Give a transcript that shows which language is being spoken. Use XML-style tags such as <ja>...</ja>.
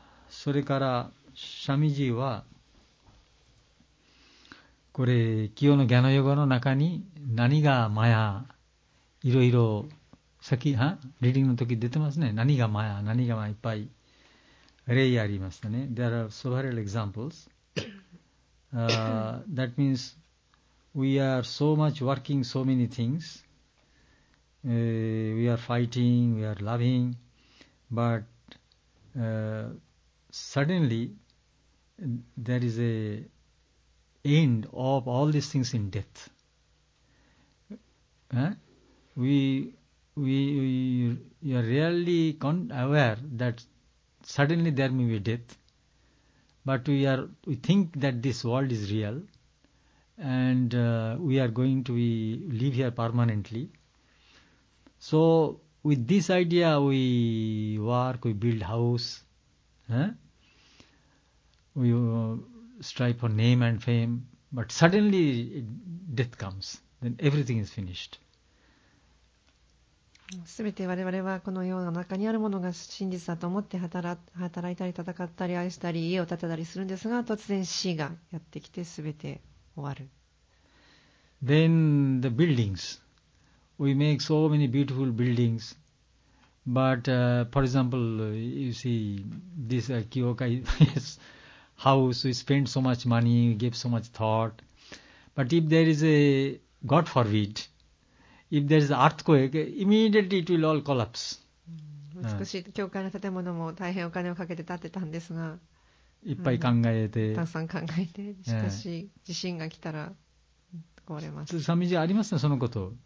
<ja>それからシャミジーはこれ清のギャノヨガの中に何がマヤ、いろいろ先はリーディングの時出てますね。何がマヤ、何がマヤ、いっぱい例がありましたね。</ja> <en>There are several examples. That means we are so much working so many things.、we are fighting, we are loving, but、suddenly there is a end of all these things in death.、We are really aware that suddenly there may be death, but we think that this world is real and、we are going to live here permanently. So with this idea we work, we build house, we strive for name and fame, but suddenly death comes, then everything is finished.</en> <ja>すべて我々はこの世の中にあるものが真実だと思って働いたり戦ったり愛したり家を建てたりするんですが、突然死がやってきてすべて終わる。</ja> <en>Then the buildings. We make so many beautiful buildings. But、for example, you see this Kyokai house, we spend so much money, we give so much thought. But if there is a God forbid,If there is an earthquake, immediately it will all collapse.</en> <ja>美しい教会の建物も大変お金をかけて建てたんですが、いっぱい考えて、たくさん考えて、しかし地震が来たら壊れます。サミジありますね、そのこと。</ja>